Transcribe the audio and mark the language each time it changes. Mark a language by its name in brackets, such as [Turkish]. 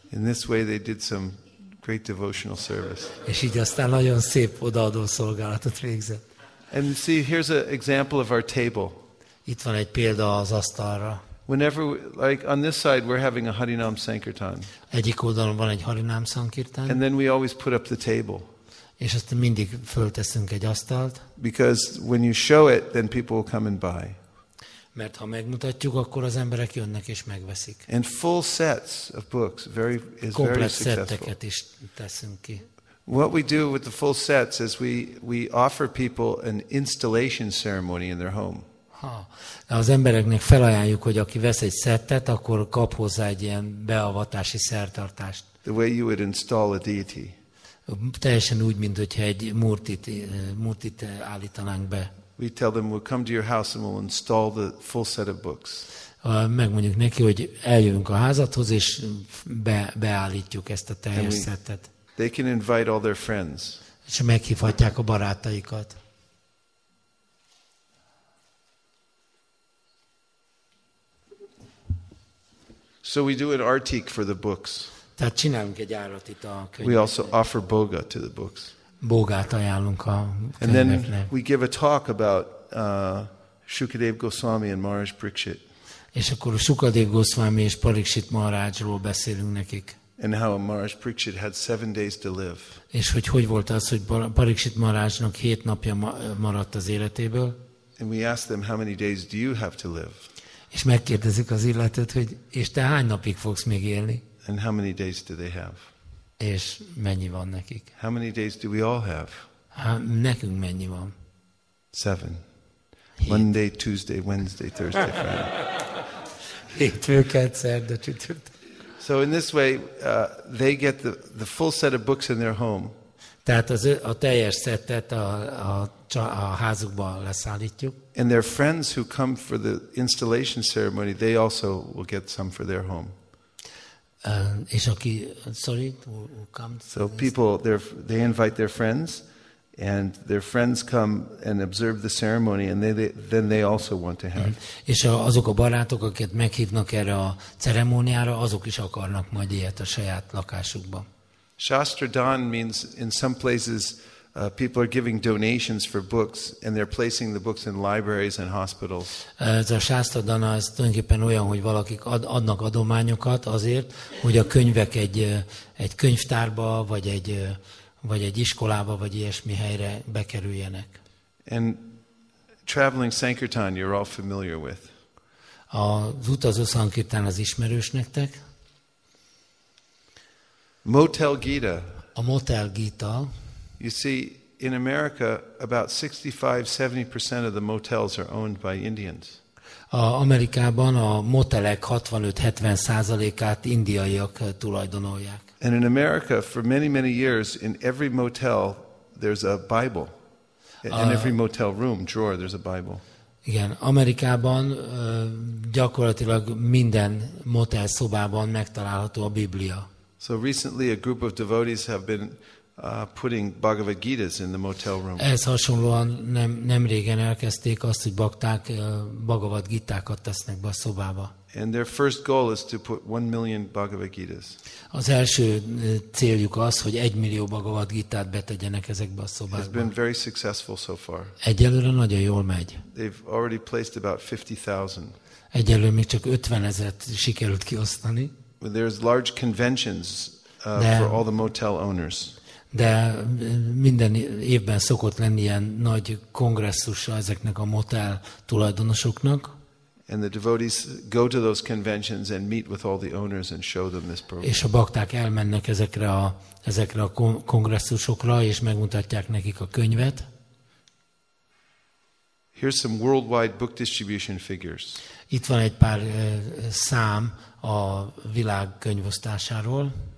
[English] In this way they did some great devotional service. [Hungarian] És így aztán nagyon szép odaadó szolgálatot végzett. [English] And see, here's an example of our table. [Hungarian] Itt van egy példa az asztalra. [English] Whenever, like on this side, we're having a Harinam Sankirtan. [Hungarian] Egyik oldalon van egy Harinam Sankirtan. [English] And then we always put up the table. [Hungarian] És aztán mindig fölteszünk egy asztalt. [English] Because when you show it, then people will come and buy. [Hungarian] Mert ha megmutatjuk, akkor az emberek jönnek és megveszik. [English] And full sets of books, is [Hungarian] komplett [English] very successful. [Hungarian] Komplett szetteket is teszünk ki. [English] What we do with the full sets is we offer people an installation ceremony in their home. [Hungarian] De az embereknek felajánljuk, hogy aki vesz egy szettet, akkor kap hozzá egy ilyen beavatási szertartást. [English] The way you would install a deity. [Hungarian] Teljesen úgy, mint hogyha egy murtit állítanánk be. [English] We tell them we'll come to your house and we'll install the full set of books. [Hungarian] Megmondjuk neki, hogy eljövünk a házadhoz és beállítjuk ezt a teljes szettet. [English] They can invite all their friends. [Hungarian] És meghívhatják a barátaikat. [English] So we do an artik for the books. [Hungarian] Tehát csinálunk egy árat itt a könyvekre. [English] We also offer boga to the books. [Hungarian] Bogát ajánlunk a könyveknek. [English] And then we give a talk about Shukadev Goswami and Maharaj Parikshit. [Hungarian] És akkor Shukadev Goswami és Parikshit Maharajról beszélünk nekik. [English] And how Maharaj Parikshit had 7 days to live. [Hungarian] És hogy volt az, hogy Parikshit Maharajnak 7 napja maradt az életéből. [English] And we ask them, how many days do you have to live? [Hungarian] És megkérdezik az illetőt, hogy és te hány napig fogsz még élni? [English] And how many days do they have? [Hungarian] És mennyi van nekik? [English] How many days do we all have? [Hungarian] Nekünk mennyi van? [English] 7. Monday, Tuesday, Wednesday, Thursday, Friday. [Hungarian] Hétfőket, szerda, csütörtök. [English] So in this way, they get the full set of books in their home. [Hungarian] Tehát a teljes szettet a házukba leszállítjuk. [English] And their friends who come for the installation ceremony, they also will get some for their home. [Hungarian] És aki, [English] sorry, who comes. So people, they invite their friends, and their friends come and observe the ceremony, and then they also want to have. [Hungarian] És azok a barátok, akiket meghívnak erre a ceremóniára, azok is akarnak majd ilyet a saját lakásukban. [English] Shastradan means in some places people are giving donations for books and they're placing the books in libraries and hospitals. [Hungarian] Ez a Shastradan az tulajdonképpen olyan, hogy valakik adnak adományokat azért, hogy a könyvek egy könyvtárba vagy egy iskolába vagy ilyesmi helyre bekerüljenek. [English] And traveling Sankirtan you're all familiar with. [Hungarian] Az utazó Sankirtan az ismerős nektek. [English] Motel Gita. [Hungarian] A Motel Gita. [English] You see, in America, about 65-70% of the motels are owned by Indians. [Hungarian] Amerikában a motelek 65-70%-át indiaiak tulajdonolják. [English] And in America, for many, many years, in every motel, there's a Bible. In every motel room, drawer, there's a Bible. [Hungarian] Igen, Amerikában gyakorlatilag minden motel szobában megtalálható a Biblia. [English] So recently a group of devotees have been putting Bhagavad Gitas in the motel room. [Hungarian] Ez hasonlóan nem régen elkezdték azt, hogy bakták Bhagavad Gitákat tesznek be a szobába. [English] And their first goal is to put 1 million Bhagavad Gitas. [Hungarian] Az első céljuk az, hogy 1 millió Bhagavad Gitát betegyenek ezekbe a szobákba. [English] It's been very successful so far. [Hungarian] Egyelőre nagyon jól megy. [English] They've already placed about 50,000. [Hungarian] Egyelőre még csak 50,000-et sikerült kiosztani. [English] There's large conventions for all the motel owners. [Hungarian] De minden évben szokott lenni ilyen nagy kongresszusa ezeknek a motel tulajdonosoknak. [English] And the devotees go to those conventions and meet with all the owners and show them this program. [Hungarian] És a bakták elmennek ezekre a kongresszusokra és megmutatják nekik a könyvet. [English] Here's some worldwide book distribution figures. [Hungarian] Itt van egy pár szám a világ könyvosztásáról.